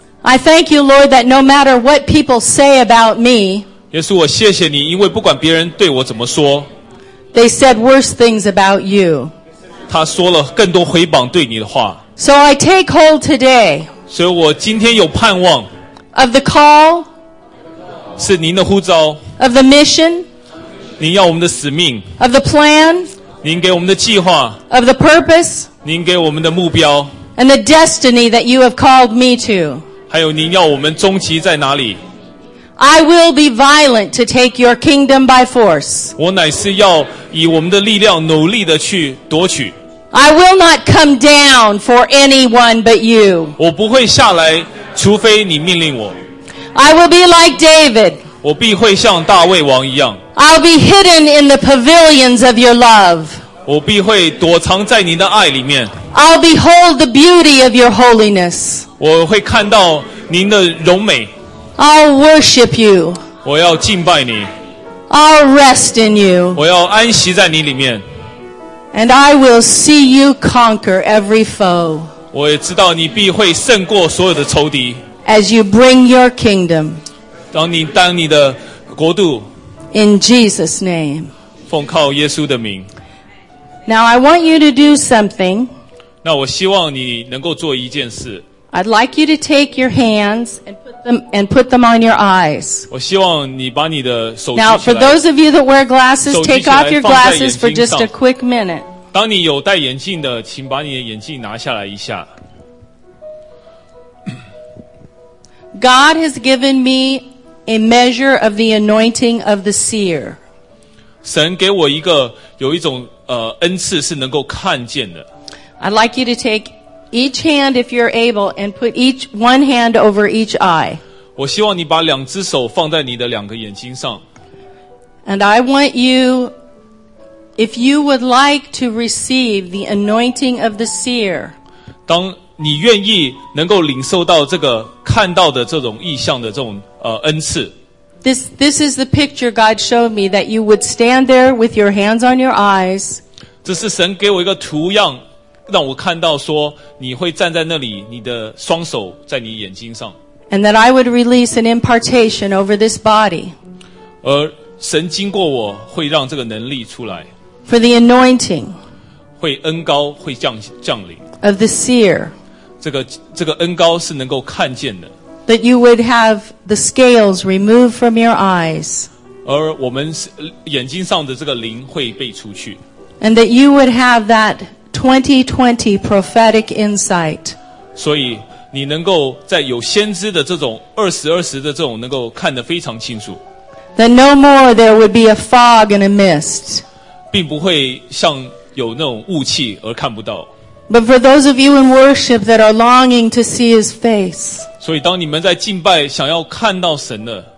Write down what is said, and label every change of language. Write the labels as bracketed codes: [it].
[en] I thank you, Lord, that no matter what people say about me, [zh] 耶稣，我谢谢你， 因为不管别人对我怎么说， [en] They said worse things about you. [zh] 他说了更多毁谤对你的话。 [en] So I take hold today of the call, [zh] 是您的呼召, [en] of the mission, [zh] 您要我们的使命, [en] of the plan, [zh] 您给我们的计划, [en] of the purpose, [zh] 您给我们的目标, [en] and the destiny that you have called me to. [zh] 还有您要我们终极在哪里。 [en] I will be violent to take your kingdom by force. [zh] 我乃是要以我们的力量努力地去夺取。 [en] I will not come down for anyone but you. [zh] 我不会下来, 除非你命令我。 [en] I will be like David. [zh] 我必会像大卫王一样。 [en] I'll be hidden in the pavilions of your love. [zh] 我必会躲藏在您的爱里面。 [en] I'll behold the beauty of your holiness. [zh] 我会看到您的荣美。 [en] I'll worship you. [zh] 我要敬拜你。 [en] I'll rest in you. [zh] 我要安息在你里面。 [en] And I will see you conquer every foe. [zh] 我也知道你必会胜过所有的仇敌。 [en] As you bring your kingdom. [zh] 当你的国度。 [en] In Jesus' name. [zh] 奉靠耶稣的名。 [en] Now I want you to do something. [zh] 那我希望你能够做一件事。 [en] I'd like you to take your hands and put them on your eyes. [zh] 我希望你把你的手举起来, [en] now, for those of you that wear glasses, [zh] 手举起来, [en] take off your glasses for just a quick minute. [zh] 当你有戴眼镜的, 请把你的眼镜拿下来一下。 [en] God has given me a measure of the anointing of the seer. [zh] 神给我一个有一种, 恩赐是能够看见的。 [en] I'd like you to take each hand, if you're able, and put each one hand over each eye. [zh] 我希望你把两只手放在你的两个眼睛上。 [en] And I want you, if you would like to receive the anointing of the seer, [zh] 当你愿意能够领受到这个看到的这种意象的这种, 恩赐。 [en] This is the picture God showed me, that you would stand there with your hands on your eyes. [zh] 这是神给我一个图样, 让我看到说你会站在那里，你的双手在你眼睛上。 [en] And that I would release an impartation over this body. [zh] 而神经过我会让这个能力出来。 [en] For the anointing. [zh] 会恩膏会降临。 [en] Of the seer. [zh] 这个恩膏是能够看见的。 [en] That you would have the scales removed from your eyes. [zh] 而我们眼睛上的这个灵会被除去。 [en] And that you would have that 2020 prophetic insight. [zh] 所以你能够在有先知的这种2020的这种能够看得非常清楚。 [en] That no more there would be a fog and a mist. [zh] 并不会像有那种雾气而看不到。 [en] But for those of you in worship that are longing to see His face. [zh] 所以当你们在敬拜想要看到神的。